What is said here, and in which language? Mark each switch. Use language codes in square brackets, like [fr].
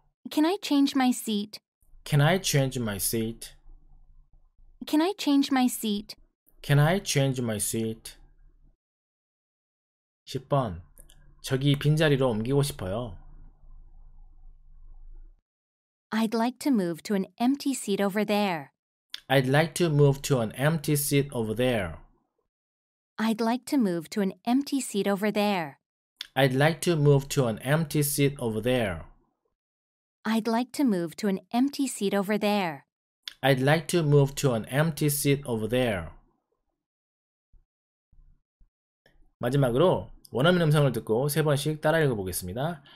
[en] Can I change my seat? Can I change my seat? Can I change my seat? Can I change my seat? [ko] 10번. 저기 빈자리로 옮기고 싶어요. [en] I'd like to move to an empty seat over there. I'd like to move to an empty seat over there. I'd like to move to an empty seat over there. I'd like to move to an empty seat over there. I'd like to move to an empty seat over there. I'd like to move to an empty seat over there. [ko] 마지막으로 원어민 음성을 듣고 세 번씩 따라 읽어보겠습니다.